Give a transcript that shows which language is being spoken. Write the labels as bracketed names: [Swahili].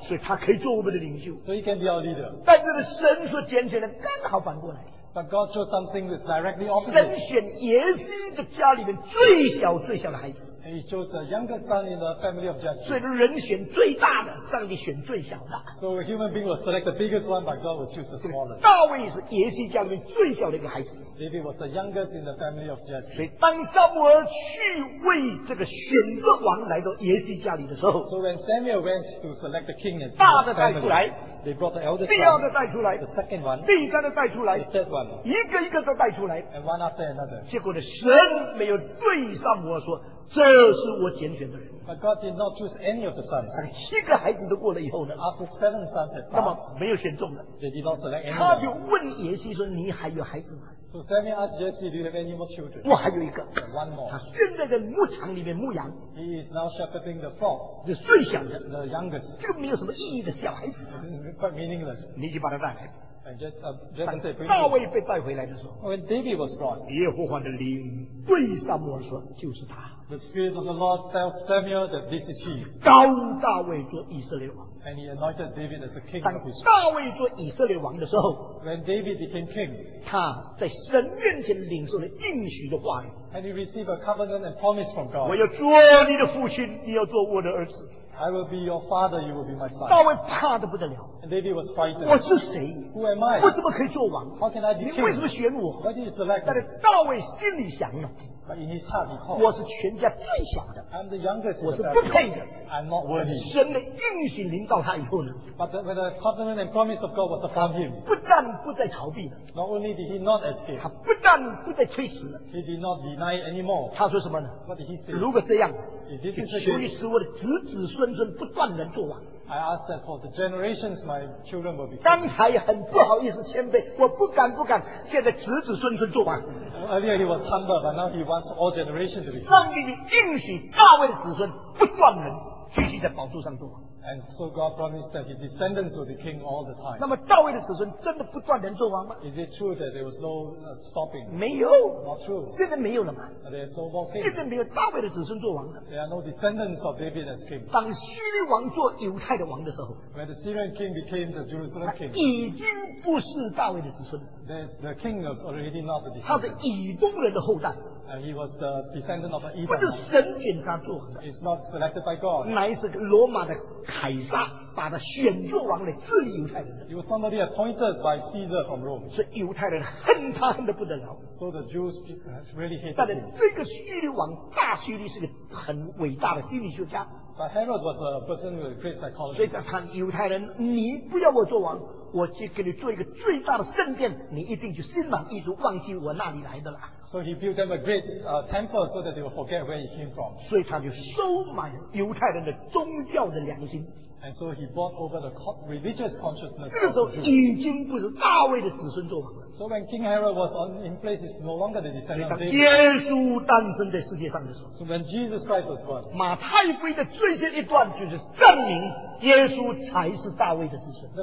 [Chinese] 所以他可以做我们的领袖 [English] So he can be our leader. [Chinese] 但是神所拣选的刚好反过来 [English] But God chose something that's directly opposite. [Chinese] 神选耶稣的家里面最小最小的孩子 [English] He chose the youngest son in the family of Jesse. [Chinese] 所以人选最大的上帝选最小的 [English] So a human being will select the biggest one but God will choose the smallest. [Chinese] 大卫是耶稣家里面最小的一个孩子 [English] David was the youngest in the family of Jesse. [Chinese] 所以当撒母耳去为这个选择王来到耶稣家里的时候 [English] So when Samuel went to select the king and the family, [Chinese] 大的带出来 [English] They brought the eldest [Chinese] 第二个带出来 [English] the second one, [Chinese] 第三个带出来 [English] the third one, [Chinese] 一个一个都带出来 [English] and one after another. [Chinese] 结果呢神没有对撒母耳说这是我拣选的人 [English] But God did not choose any of the sons. [Chinese] 七个孩子都过了以后呢 [English] after seven sons had passed, [Chinese] 那么没有选中的 [English] they did not select any [Chinese] 他就问耶稣说你还有孩子吗 [English] So Samuel asked Jesse, do you have any more children? [Chinese] 我还有一个 [English] one more. [Chinese] 他现在在牧场里面牧羊 [English] He is now shepherding the flock. [Chinese] 是最小的 [English] the youngest. [Chinese] 这个没有什么意义的小孩子 [English] Quite meaningless. [Chinese] 你就把他带来。 [English] And Jesse said, [Chinese] 大卫被带回来的时候 [English] ，When David was brought, [Chinese] 耶和华的灵对撒母耳说，就是他。 [English] The Spirit of the Lord tells Samuel that this is he. [Chinese] 高大卫做以色列王。 [English] And he anointed David as the king of Israel. [Chinese] 大卫做以色列王的时候 [English] ，When David became king, [Chinese] 他在神面前领受了应许的话语。 [English] And he received a covenant and promise from God. [Chinese] 我要做你的父亲，你要做我的儿子。 [English] I will be your father, you will be my son. [Chinese] 大卫怕得不得了。 [English] And David was frightened. [Chinese] 我是谁？ [English] Who am I? [Chinese] 我怎么可以做王？ [English] How can I be king? [Chinese] 你为什么选我？ [English] Why did you select me? [Chinese] 但是大卫心里想了。 [English] But in his heart, he called. [Chinese] 我是全家最小的。 [English] I'm the youngest. [Chinese] 我是不配的。 [English] I'm not worthy. [Chinese] 但神的应许临到他以后呢？ [English] But when the covenant and promise of God was upon him. [Chinese] 不但不再逃避了。 [English] Not only did he not escape. [Chinese] 他不但不再推迟了。 [English] He did not deny anymore. [Chinese] 他说什么呢？ [English] What did he say? [Chinese] 如果这样。求你使我的子子孙孙不断能做王。 [English] I ask that for the generations, my children will be. [Chinese] 刚才很不好意思谦卑，我不敢不敢。现在子子孙孙做王。 [English] Earlier he was humble, but now he wants all generations to be. [Chinese] 上帝的应许，大卫的子孙不断能继续在宝座上做王。 [English] And so God promised that his descendants will be king all the time. [Chinese] 那么大卫的子孙真的不断能做王吗 [English] ？Is it true that there was no stopping? [Chinese] 没有。 [English] Not true. [Chinese] 现在没有了嘛 [English] ？There's no more king. [Chinese] 现在没有大卫的子孙做王了。 [English] There are no descendants of David as king. [Chinese] 当叙利王做犹太的王的时候 [English] ，When the Syrian king became the Jerusalem king, [Chinese] 已经不是大卫的子孙了。 [English] The king was already not the descendant. [Chinese] 他是以东人的后代。 [English] And he was the descendant of an [Chinese] Edom. 不是神选他做王的。 [English] It's not selected by God. [Chinese] 乃是罗马的凯撒把他选做王来治理犹太人的。 [English] He was somebody appointed by Caesar from Rome. [Chinese] 所以犹太人恨他恨得不得了。 [English] So the Jews really hated him. [Chinese] 但是这个叙利王大叙利是个很伟大的心理学家。 [English] But Herod was a person with great psychology. [Chinese] 所以他犹太人，你不要我做王。我去给你做一个最大的圣殿，你一定就心满意足，忘记我那里来的了。 [English] So he built them a great temple so that they will forget where he came from. [Chinese] 所以他就收买犹太人的宗教的良心。 [English] And so he bought over the religious consciousness. [Chinese] 这个时候已经不是大卫的子孙做王了。 [English] So when King Herod was in place, he's no longer the descendant of David. [Chinese] 耶稣诞生在世界上的时候。 [English] So when Jesus Christ was born. [Chinese] 马太福音的最先一段就是证明耶稣才是大卫的子孙。